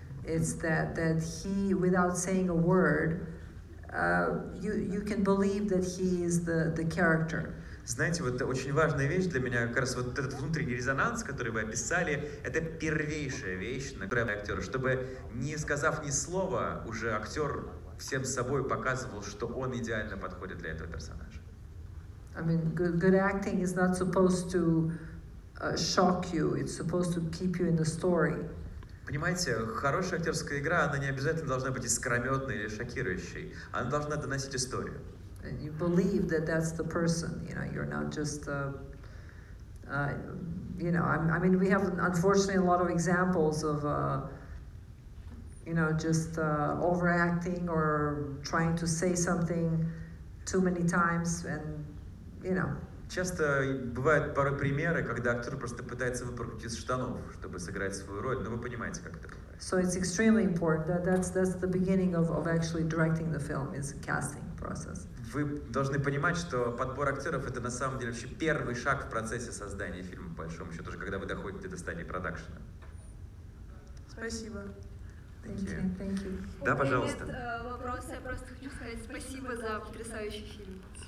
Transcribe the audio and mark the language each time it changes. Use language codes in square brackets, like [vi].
[en] It's that he, without saying a word, you can believe that he is the character. [ru] Знаете, вот очень важная вещь для меня, как раз вот этот внутренний резонанс, который вы описали, это первейшая вещь, на которой актер, чтобы, не сказав ни слова, уже актер всем собой показывал, что он идеально подходит для этого персонажа. [en] I mean, good acting is not supposed to shock you, it's supposed to keep you in the story. [ru] Понимаете, хорошая актерская игра, она не обязательно должна быть искрометной или шокирующей, она должна доносить историю. [en] And you believe that that's the person, you know, you're not just, you know, I mean, we have, unfortunately, a lot of examples of, you know, just overacting or trying to say something too many times and, you know. [ru] Часто бывают пары примеры, когда актер просто пытается выпрыгнуть из штанов, чтобы сыграть свою роль, но вы понимаете, как это бывает. [en] So it's extremely important that that's the beginning of actually directing the film is the casting process. [ru] Вы должны понимать, что подбор актеров это на самом деле вообще первый шаг в процессе создания фильма, по большому счету, уже когда вы доходите до стадии продакшена. Спасибо. [en] Thank you. [ru] Да, пожалуйста. Нет вопроса, я просто хочу сказать спасибо за потрясающий фильм.